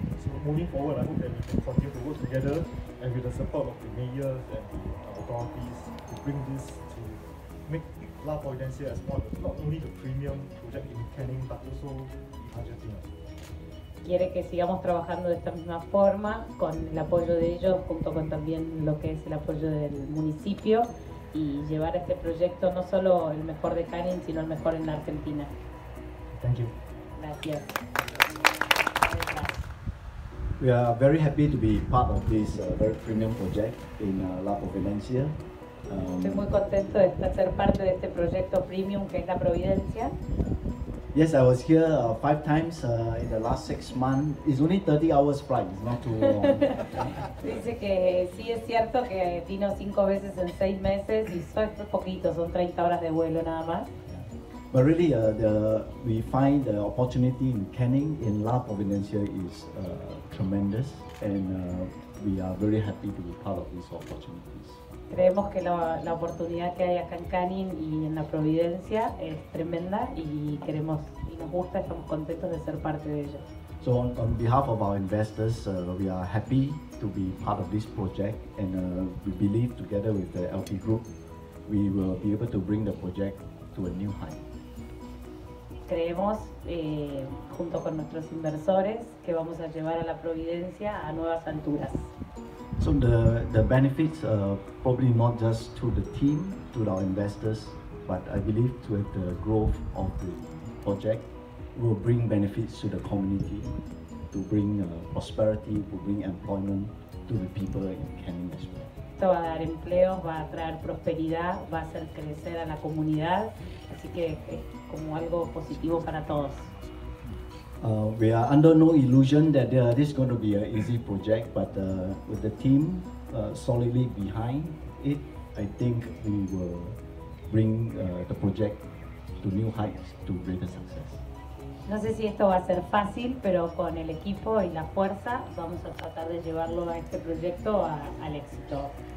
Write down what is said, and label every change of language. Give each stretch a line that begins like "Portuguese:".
English: So moving forward, I hope that we can continue to work together and with the support of the mayor and the authorities to bring this to make La Providencia as one, not only the premium project in Canning, but also in Argentina.
Spanish: Quiere que sigamos trabajando de esta misma forma, con el apoyo de ellos, junto con también lo que es el apoyo del municipio, y llevar este proyecto no solo el mejor de Canning, sino el mejor en la Argentina.
English: Thank you.
Spanish: Gracias.
English: We are very happy to be part of this very premium project in La Providencia.
Spanish: Estoy muy contento de ser parte de este proyecto premium que es La Providencia.
English: Yes, I was here 5 times in the last 6 months. It's only 30 hours flight, it's not too long.
Spanish: Dice que sí es cierto que vino 5 veces en 6 meses y son estos poquitos, son 30 horas de vuelo nada más.
English: But really, we find the opportunity in Canning in La Providencia is tremendous, and we are very happy to be part of these opportunities.
Spanish: Creemos que la oportunidad que hay acá en Canning y en La Providencia es tremenda y queremos y nos gusta, estamos contentos de ser parte de ello.
English: So on behalf of our investors, we are happy to be part of this project, and we believe together with the LP Group, we will be able to bring the project to a new height.
Spanish: Creemos, junto con nuestros inversores, que vamos a llevar a La Providencia a nuevas alturas.
English: So the benefits are probably not just to the team, to our investors, but I believe to the growth of the project will bring benefits to the community, to bring prosperity, to bring employment to the people in Canning as well.
Spanish: esto va a dar empleos, va a traer prosperidad, va a hacer crecer a la comunidad, así que es como algo positivo para todos.
English: We are under no illusion that this is going to be an easy project, but with the team solidly behind it, I think we will bring the project to new heights, to greater success.
Spanish: No sé si esto va a ser fácil, pero con el equipo y la fuerza vamos a tratar de llevarlo a este proyecto al éxito.